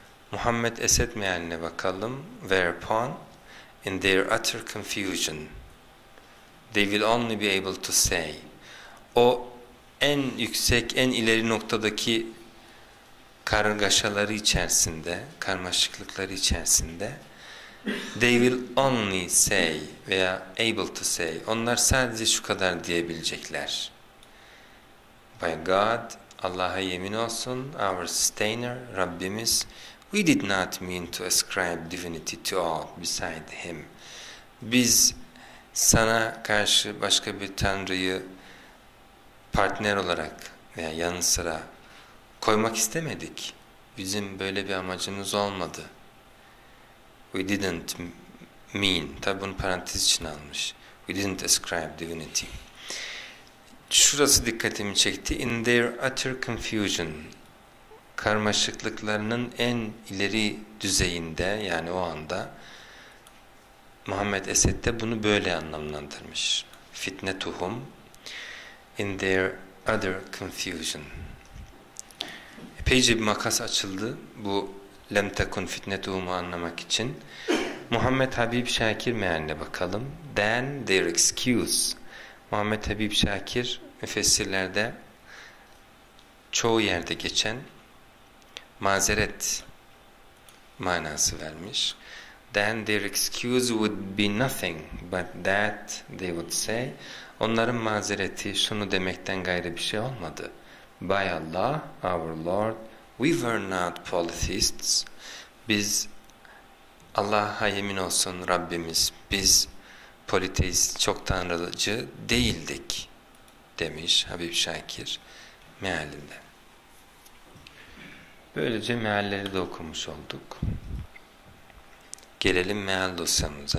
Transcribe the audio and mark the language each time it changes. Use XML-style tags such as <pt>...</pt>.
<tr>Muhammed Esed mealine bakalım.</tr> <en>Whereupon, in their utter confusion, they will only be able to say,</en> <tr>o en yüksek, en ileri noktadaki kargaşaları içerisinde, karmaşıklıkları içerisinde,</tr> <en>they will only say</en> <tr>veya</tr> <en>able to say,</en> <tr>onlar sadece şu kadar diyebilecekler.</tr> <en>By God,</en> <tr>Allah'a yemin olsun,</tr> <en>our sustainer, Rabbimiz, we did not mean to ascribe divinity to all beside him.</en> <tr>Biz sana karşı başka bir tanrıyı partner olarak veya yanı sıra koymak istemedik. Bizim böyle bir amacımız olmadı.</tr> <en>We didn't mean,</en> <tr>tabi bunu parantez için almış.</tr> <en>We didn't ascribe divinity.</en> <tr>Şurası dikkatimi çekti.</tr> <en>In their utter confusion,</en> <tr>karmaşıklıklarının en ileri düzeyinde, yani o anda, Muhammed Esed de bunu böyle anlamlandırmış.</tr> <en>Fitne tuhum, in their utter confusion.</en> <tr>Epeyce bir makas açıldı bu lem tekun fitnetuhumu anlamak için. Muhammed Habib Şakir mealine bakalım.</tr> <en>Then their excuse.</en> <tr>Muhammed Habib Şakir müfessirlerde çoğu yerde geçen mazeret manası vermiş.</tr> <en>Then their excuse would be nothing but that they would say.</en> <tr>Onların mazereti şunu demekten gayrı bir şey olmadı.</tr> <en>By Allah, our Lord, we were not polytheists.</en> <tr>Biz, Allah'a yemin olsun Rabbimiz, biz politeist, çok tanrıcı değildik demiş Habib Şakir mealinde. Böylece mealleri de okumuş olduk. Gelelim meal dosyamıza.</tr>